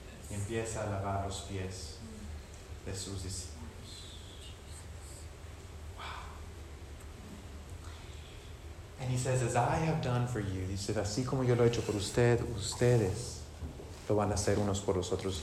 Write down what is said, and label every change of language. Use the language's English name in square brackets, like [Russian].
[Spanish] Y empieza a lavar los pies de sus discípulos. [English] And he says, as I have done for you. He said, [Spanish] así como yo lo he hecho por usted, ustedes lo van a hacer unos por los otros.